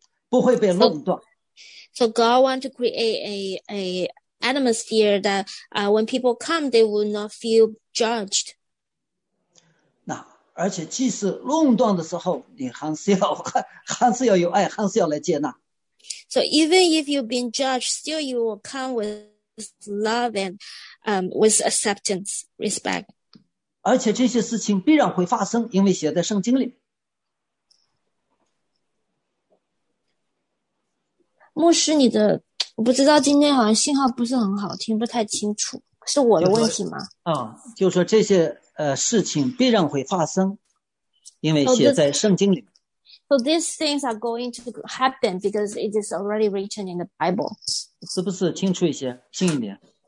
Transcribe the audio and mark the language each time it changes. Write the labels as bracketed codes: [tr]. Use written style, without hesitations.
[zh] 所以神要塑造教会成为一个地方，人进来都感觉到安全，不会被垄断。 [en] So God wants to create a atmosphere that when people come, they will not feel judged. [zh] 那而且即使垄断的时候，你还是要有爱，还是要来接纳。 [en] So even if you've been judged, still you will come with love and with acceptance, respect. [zh] 而且这些事情必然会发生，因为写在圣经里。牧师，你的，我不知道今天好像信号不是很好，听不太清楚，是我的问题吗？啊，就说这些事情必然会发生，因为写在圣经里。 [en] So these things are going to happen because it is already written in the Bible. [zh] 是不是清楚一些，近一点？